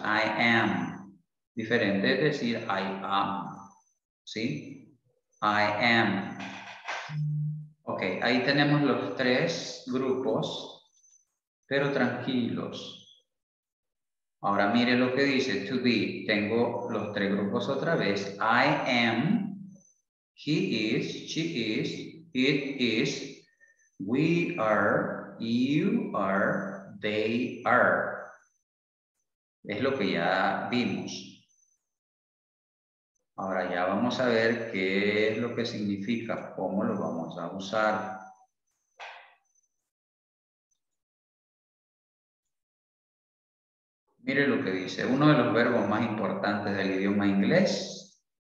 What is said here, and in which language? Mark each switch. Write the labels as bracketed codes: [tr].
[en] I am. [es] Diferente es decir [en] I am. [es] ¿Sí? [en] I am. [es] Ok, ahí tenemos los tres grupos, pero tranquilos. Ahora mire lo que dice to be. Tengo los tres grupos otra vez. [en] I am, he is, she is, it is, we are, you are, they are. [es] Es lo que ya vimos. Ahora ya vamos a ver qué es lo que significa, cómo lo vamos a usar. Mire lo que dice, uno de los verbos más importantes del idioma inglés.